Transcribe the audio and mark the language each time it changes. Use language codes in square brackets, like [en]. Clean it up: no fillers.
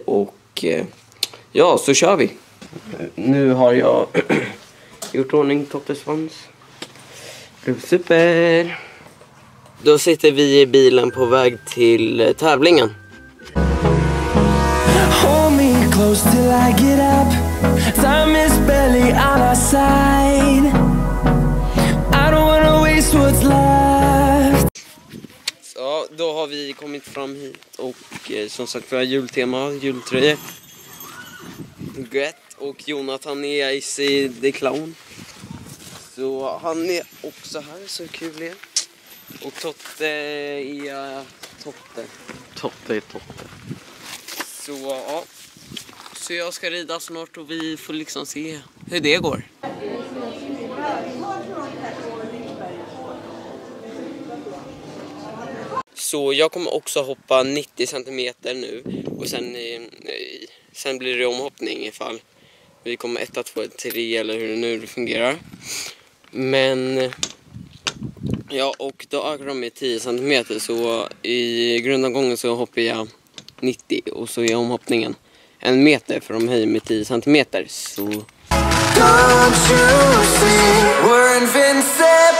[sv] Och ja, så kör vi. Nu har jag gjort ordning Tottes fans. Super. Då sitter vi i bilen på väg till tävlingen. [en] Hold me close till I get up. Time is barely on our side. I don't wanna waste what's left. [sv] Så då har vi kommit fram hit och som sagt för jultema, jultröja. Gött. Och Jonathan är i sig The Clown. Så han är också här, så kul igen. Och Totte är Totte. Totte är Totte. Så ja. Så jag ska rida snart och vi får liksom se hur det går. Så jag kommer också hoppa 90 cm nu. Och sen blir det omhoppning ifall vi kommer 1, 2, 3 eller hur det nu fungerar. Men ja, och då ökar de med 10 cm. Så i grundomgången så hoppar jag 90 och så är omhoppningen 1 meter. För de höjer med 10 cm. [en] Så don't you see we're invincible.